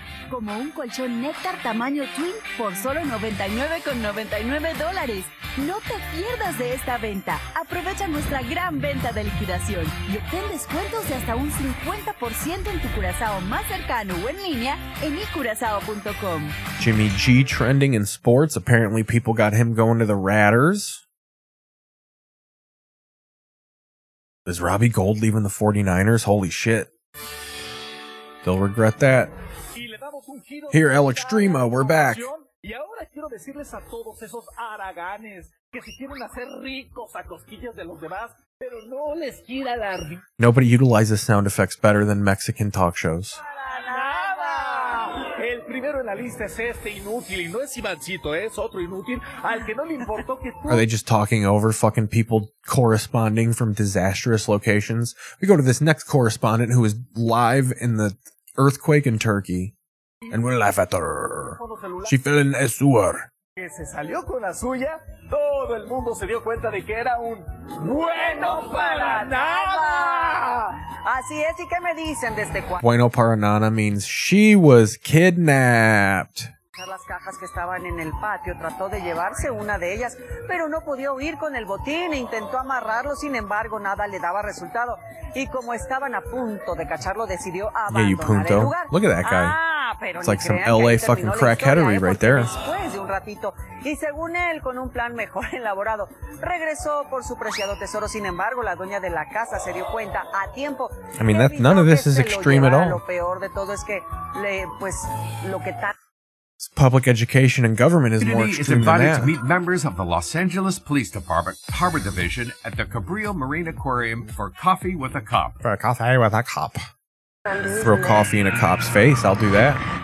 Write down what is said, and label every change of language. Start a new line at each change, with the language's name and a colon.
Spanish: Como un colchón Néctar tamaño Twin por solo $99.99. No te pierdas de esta venta. Aprovecha nuestra gran venta de liquidación y obtén descuentos de hasta un 50% en tu curazao más cercano o en línea en icurazao.com.
English: Jimmy G trending in sports. Apparently people got him going to the Raiders. Is Robbie Gould leaving the 49ers? Holy shit. They'll regret that. Here, El Extremo, we're back.
Spanish: Y ahora quiero decirles a todos esos araganes que se quieren hacer ricos a cosquillas de los demás, pero no les quiera dar.
English: Nobody utilizes sound effects better than Mexican talk shows.
Spanish: El primero en la lista es este inútil, y no es Ivancito, es otro inútil, al que no le importó que tú...
English: Are they just talking over fucking people corresponding from disastrous locations? We go to this next correspondent who is live in the earthquake in Turkey, and we laugh at her. She fell in a sewer.
Spanish: Que se salió con la suya, todo el mundo se dio cuenta de que era un bueno para nada. Así es, ¿y qué me dicen de este cuarto? Bueno para nada
English: means she was kidnapped.
Spanish: Las cajas que estaban en el patio, trató de llevarse una de ellas, pero no podía huir con el botín e intentó amarrarlo, sin embargo, nada le daba resultado. Y como estaban a punto de cacharlo, decidió abandonar el lugar.
English: Look at that guy.
Spanish: Pero
English: it's like some LA fucking crackheadery right there.
Spanish: Después de un ratito, y según él, con un plan mejor elaborado, regresó por su preciado tesoro. Sin embargo, la dueña de la casa se dio cuenta a tiempo.
English: I mean, that, none of this is extreme at all.
Spanish: Lo peor de todo es que, pues, lo que tal.
English: Public education and government is more extreme than that. Is invited to meet members of the Los Angeles Police Department, Harbor Division, at the Cabrillo Marine Aquarium for coffee with a cop. For a coffee with a cop. Throw coffee in a cop's face. I'll do that.